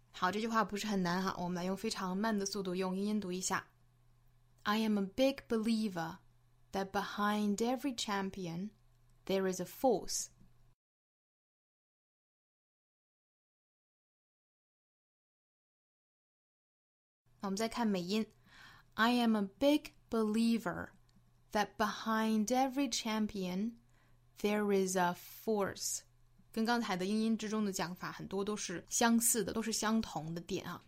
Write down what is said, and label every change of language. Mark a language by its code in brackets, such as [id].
[zh] 好，这句话不是很难哈，我们来用非常慢的速度用英音读一下。 [en] I am a big believer. That behind every champion, there is a force. [zh] Now, 我们再看美音。 [en] I am a big believer that behind every champion, there is a force. [zh] 跟刚才的英音之中的讲法很多都是相似的，都是相同的点啊。